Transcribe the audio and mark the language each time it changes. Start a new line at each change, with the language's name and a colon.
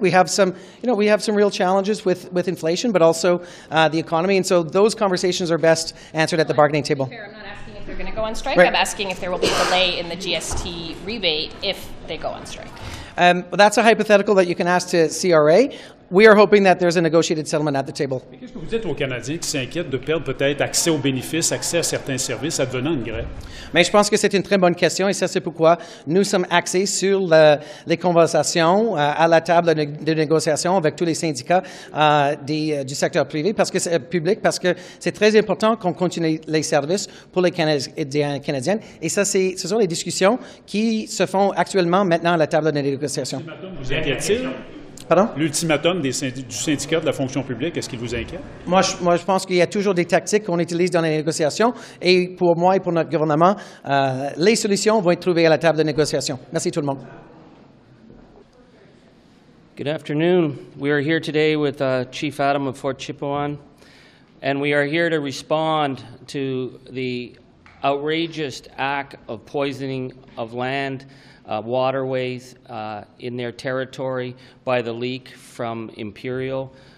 English: We have some, you know, we have some real challenges with inflation, but also the economy, and so those conversations are best answered at the bargaining table. They're going to go on strike. Right. I'm asking if there will be a delay in the GST rebate if they go on strike. Well, that's a hypothetical that you can ask to CRA. We are hoping that there's a negotiated settlement at the table.
French: Mais qu'est-ce que vous dites aux Canadiens qui s'inquiètent de perdre peut-être accès aux bénéfices, accès à certains services advenant une grève? Mais je pense que c'est une très bonne question et ça c'est pourquoi nous sommes axés sur les conversations à la table de négociation avec tous les syndicats du secteur privé parce que c'est public parce que c'est très important qu'on continue les services pour les Canadiens et Canadiennes et ça c'est ce sont les discussions qui se font actuellement maintenant à la table de négociation. Vous inquiétez-vous? Pardon? L'ultimatum du syndicat de la fonction publique, est-ce qu'il vous inquiète? Moi, je pense qu'il y a toujours des tactiques qu'on utilise dans les négociations. Et pour moi et pour notre gouvernement, les solutions vont être trouvées à la table de négociation. Merci tout le monde.
English: Good afternoon. We are here today with Chief Adam of Fort Chipewyan. And we are here to respond to the outrageous act of poisoning of land. Waterways in their territory by the leak from Imperial.